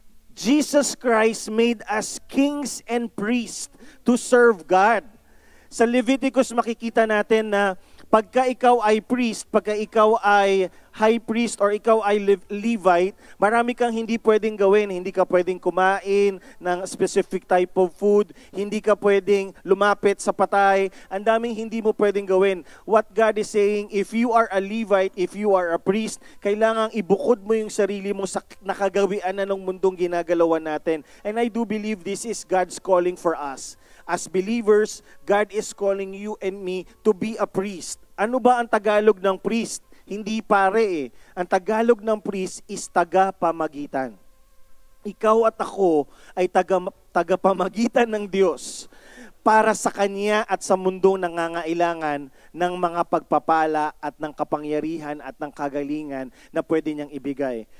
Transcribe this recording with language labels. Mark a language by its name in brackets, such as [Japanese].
[English] Jesus Christ made us kings and priests to serve God. [Filipino] Sa Leviticus makikita natin na pagka ikaw ay priest, pagka ikaw ay high priest or ikaw ay Levite, marami kang hindi pwedeng gawin. Hindi ka pwedeng kumain ng [English] specific type of food. [Filipino] Hindi ka pwedeng lumapit sa patay. Ang daming hindi mo pwedeng gawin. [English] What God is saying, if you are a Levite, if you are a priest, [Filipino] kailangang ibukod mo yung sarili mo sa nakagawian na ng mundong ginagalawan natin. [English] And I do believe this is God's calling for us. As believers, God is calling you and me to be a priest. [Filipino] Ano ba ang Tagalog ng priest? Hindi pare eh. Ang Tagalog ng priest is tagapamagitan. Ikaw at ako ay tagapamagitan ng Diyos para sa Kanya at sa mundong nangangailangan ng mga pagpapala at ng kapangyarihan at ng kagalingan na pwede niyang ibigay.